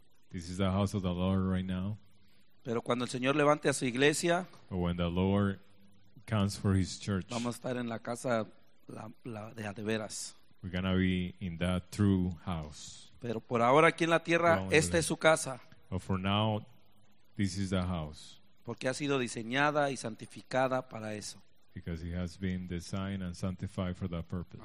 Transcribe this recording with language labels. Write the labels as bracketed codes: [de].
[en] This is the house of the Lord right now. [es] Pero cuando el Señor levante a su iglesia, [en] but when the Lord comes for his church, [es] vamos a estar en la casa de veras. [en] We're going to be in that true house. [es] Pero por ahora aquí en la tierra, esta es su casa. [en] But for now, this is the house. [es] Porque ha sido diseñada y santificada para eso. [en] Because it has been designed and sanctified for that purpose.